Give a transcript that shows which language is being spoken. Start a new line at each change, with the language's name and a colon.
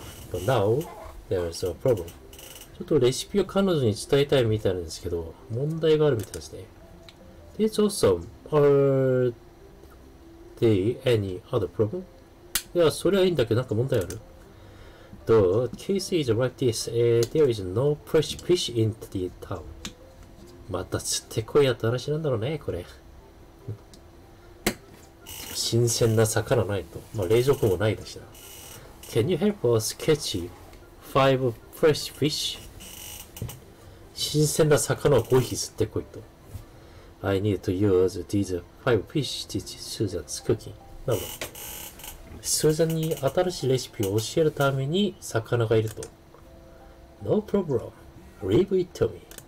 English: But now, there's a problem.
Japanese: ちょっとレシピを彼女に伝えたいみたいなんですけど、問題があるみたいですね。
English: It's awesome. Are there any other problem?
Japanese: いや、それはいいんだけど、なんか問題ある。
English: The case is like this. There is no fresh fish in the town.
Japanese: また、つってこいやった話なんだろうね、これ。新鮮な魚ないと。まあ、冷蔵庫もないだしな。
English: Can you help us catch five fresh fish?
Japanese: 新鮮な魚を5匹釣ってこいと。
English: I need to use these five fish to teach Susan's cooking.
Japanese: なるほど。Susan に新しいレシピを教えるために魚がいると。
English: No problem. Leave it to me.